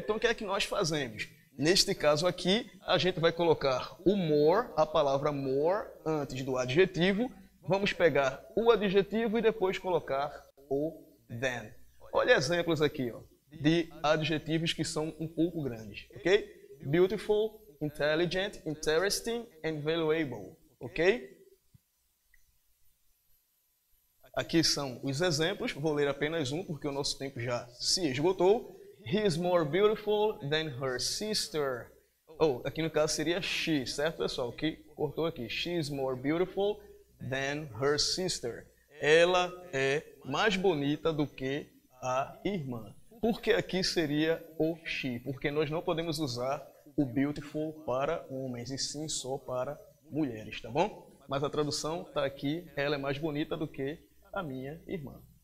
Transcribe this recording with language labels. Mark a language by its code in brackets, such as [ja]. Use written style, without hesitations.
[pt] Então, o que é que nós fazemos? Neste caso aqui, a gente vai colocar o more, a palavra more, antes do adjetivo. Vamos pegar o adjetivo e depois colocar o than. Olha exemplos aqui, ó, de adjetivos que são um pouco grandes, ok? [en] Beautiful, intelligent, interesting and valuable, ok? [pt] Aqui são os exemplos, vou ler apenas um porque o nosso tempo já se esgotou. [en] He is more beautiful than her sister. [pt] Oh, aqui no caso seria she, certo pessoal? Que cortou aqui. [en] She is more beautiful than her sister. [pt] Ela é mais bonita do que a irmã. Porque aqui seria o she, porque nós não podemos usar o beautiful para homens, e sim só para mulheres, tá bom? Mas a tradução está aqui, ela é mais bonita do que a minha irmã.